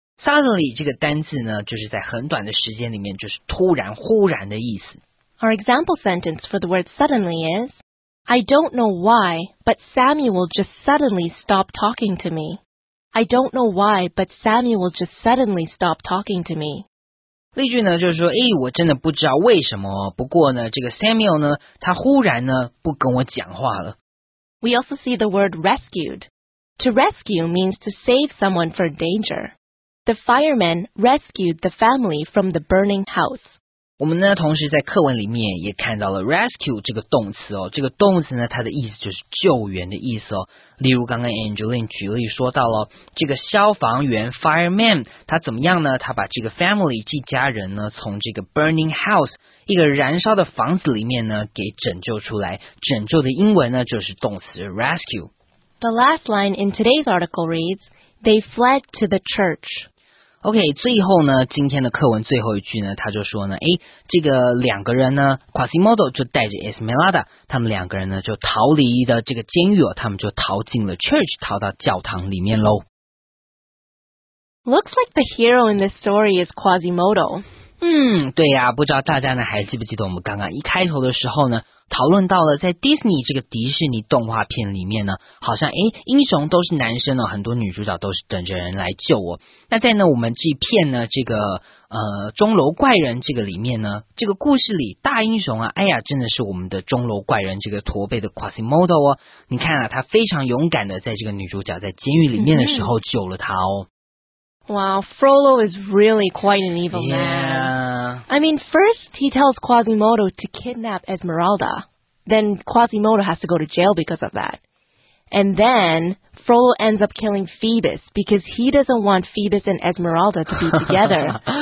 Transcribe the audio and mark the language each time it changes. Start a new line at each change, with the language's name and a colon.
Chinese: Suddenly 这个单字呢，就是在很短的时间里面，就是突然、忽然的意思。
English: Our example sentence for the word suddenly is, I don't know why, but Samuel just suddenly stopped talking to me. I don't know why, but Samuel just suddenly stopped talking to me.
Chinese: 例句呢就是说，哎，我真的不知道为什么，不过呢这个 Samuel 呢他忽然呢不跟我讲话了。
English: We also see the word rescued. To rescue means to save someone from danger. The firemen rescued the family from the burning house.
Chinese: 我们呢同时在课文里面也看到了 rescue 这个动词哦，这个动词呢它的意思就是救援的意思哦。例如刚刚 Angeline 举例说到了这个消防员 fireman 他怎么样呢，他把这个 family 这家人呢从这个
English: burning house
Chinese: 一个燃烧的房子里面呢给拯救出来，拯救的英文呢就是动词 rescue。
English: The last line in today's article reads They fled to the church
Chinese: OK， 最后呢，今天的课文最后一句呢，他就说呢，哎，这个两个人呢 ，Quasimodo 就带着 Esmeralda， 他们两个人呢就逃离的这个监狱哦，他们就逃进了 church， 逃到教堂里面喽。
English: Looks like the hero in this story is Quasimodo.
Chinese: 对呀、啊，不知道大家呢还记不记得我们刚刚一开头的时候呢，讨论到了在 Disney 这个迪士尼动画片里面呢，好像诶英雄都是男生哦，很多女主角都是等着人来救我。那在呢我们这片呢这个钟楼怪人这个里面呢，这个故事里大英雄啊，哎呀真的是我们的钟楼怪人这个驼背的 Quasimodo 哦，你看啊他非常勇敢的在这个女主角在监狱里面的时候救了他哦。
English: Wow, Frollo is really quite an evil man. I mean, first he tells Quasimodo to kidnap Esmeralda. Then Quasimodo has to go to jail because of that. And then Frollo ends up killing Phoebus because he doesn't want Phoebus and Esmeralda to be together.